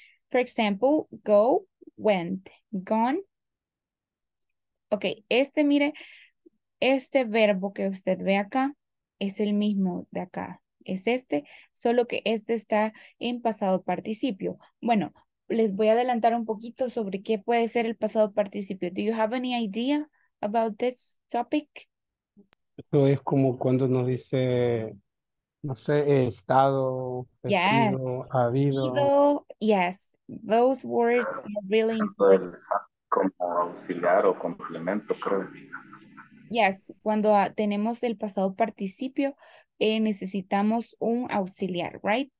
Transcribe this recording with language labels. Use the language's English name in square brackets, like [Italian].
[English] For example, go, went, gone. [Spanish] Ok, este, mire, este verbo que usted ve acá es el mismo de acá. Es este, solo que este está en pasado participio. Bueno, les voy a adelantar un poquito sobre qué puede ser el pasado participio. [English] Do you have any idea about this topic? [Spanish] Esto es como cuando nos dice, no sé, he estado, he yeah. sido, ha habido. [English] Ido, yes, those words are really [Spanish] important. O complemento, creo. Yes, cuando tenemos el pasado participio, necesitamos un auxiliar, right?